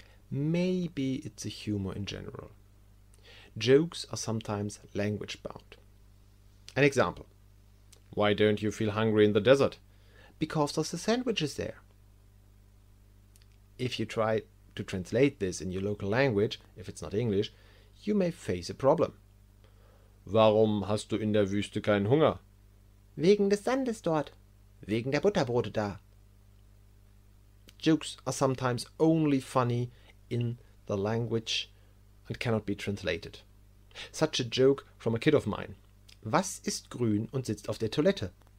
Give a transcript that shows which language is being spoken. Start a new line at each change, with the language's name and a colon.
English: Maybe it's the humor in general. Jokes are sometimes language bound. An example. Why don't you feel hungry in the desert? Because of the sandwiches there. If you try to translate this in your local language, if it's not English, you may face a problem.
German: Warum hast du in der Wüste keinen Hunger? Wegen des Sandes dort. Wegen der Butterbrote da.
English: Jokes are sometimes only funny in the language and cannot be translated. Such a joke from a kid of mine.
German: Was ist grün und sitzt auf der Toilette?